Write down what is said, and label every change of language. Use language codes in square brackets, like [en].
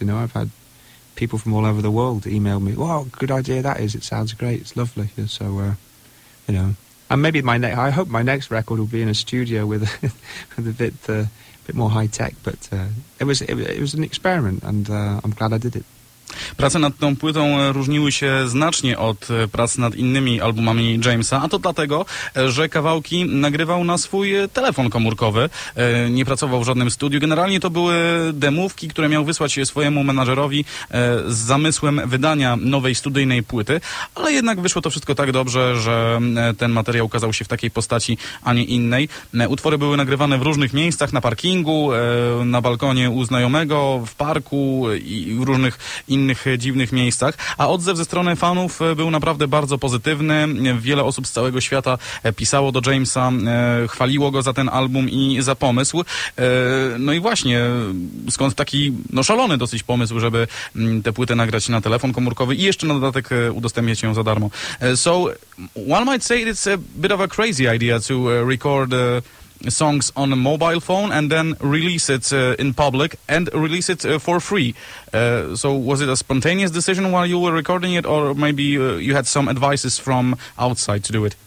[en] You know, I've had people from all over the world email me, "Wow, good idea that is. It sounds great. It's lovely." Yeah, so, you know. And maybe I hope my next record will be in a studio with a bit... bit more high tech, but it was an experiment, and I'm glad I did it. [pl] Prace nad tą płytą różniły się znacznie od prac nad innymi albumami Jamesa, a to dlatego, że kawałki nagrywał na swój telefon komórkowy, nie pracował w żadnym studiu. Generalnie to były demówki, które miał wysłać swojemu menadżerowi z zamysłem wydania nowej studyjnej płyty, ale jednak wyszło to wszystko tak dobrze, że ten materiał ukazał się w takiej postaci, a nie innej. Utwory były nagrywane w różnych miejscach, na parkingu, na balkonie u znajomego, w parku i w różnych innych dziwnych miejscach, a odzew ze strony fanów był naprawdę bardzo pozytywny. Wiele osób z całego świata pisało do Jamesa, chwaliło go za ten album i za pomysł. No i właśnie, skąd taki szalony dosyć pomysł, żeby tę płytę nagrać na telefon komórkowy i jeszcze na dodatek udostępniać ją za darmo. [en] So, one might say it's a bit of a crazy idea to record songs on a mobile phone and then release it in public and release it for free. So was it a spontaneous decision while you were recording it, or maybe you had some advices from outside to do it?